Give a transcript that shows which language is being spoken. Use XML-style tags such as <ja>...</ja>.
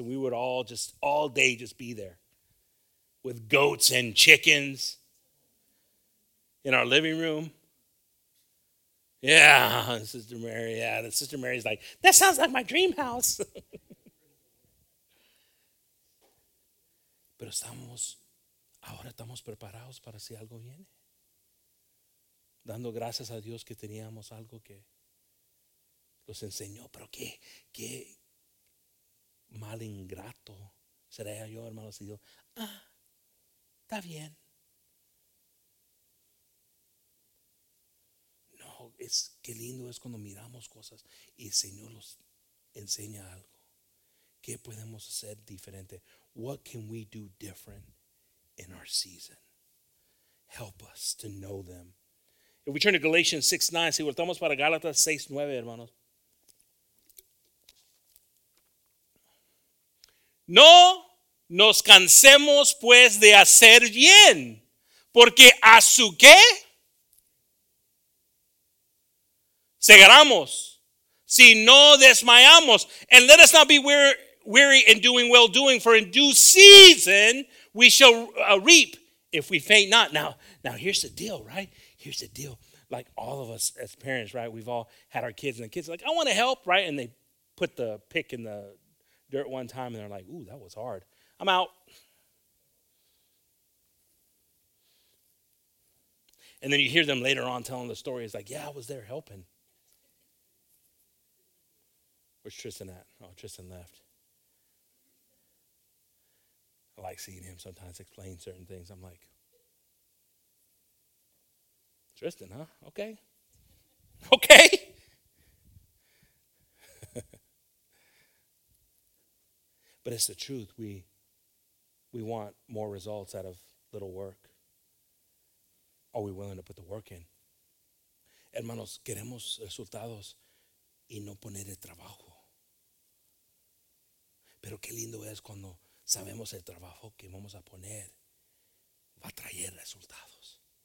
<en>And we would all just all day just be there with goats and chickens in our living room. Yeah, Sister Mary. Yeah, the Sister Mary's like, that sounds like my dream house.</en> <es>Pero estamos, ahora estamos preparados para si algo viene. Dando gracias a Dios que teníamos algo que los enseñó. Pero qué mal ingrato sería yo, hermano, si yo, está bien. No, es qué lindo es cuando miramos cosas y el Señor nos enseña algo. ¿Qué podemos hacer diferente?</es> <en>What can we do different in our season? Help us to know them. If we turn to Galatians 6:9,</en> <es>si voltamos para Gálatas 6:9, hermanos. No nos cansemos pues de hacer bien, porque a su qué segaramos, si no desmayamos.</es> <en>And let us not be weary in doing well doing, for in due season we shall reap if we faint not. Now here's the deal, right? Here's the deal. Like all of us as parents, right? We've all had our kids, and the kids are like, I want to help, right? And they put the pick in the dirt one time and they're like, ooh, that was hard. I'm out. And then you hear them later on telling the story. It's like, yeah, I was there helping. Where's Tristan at? Oh, Tristan left. I like seeing him sometimes explain certain things. I'm like, Tristan, huh? Okay. Okay. But it's the truth. We want more results out of little work. Are we willing to put the work in?</en> <es>Hermanos, queremos resultados y no poner el trabajo. Pero qué lindo es cuando sabemos el trabajo que vamos a poner va a traer resultados.</es>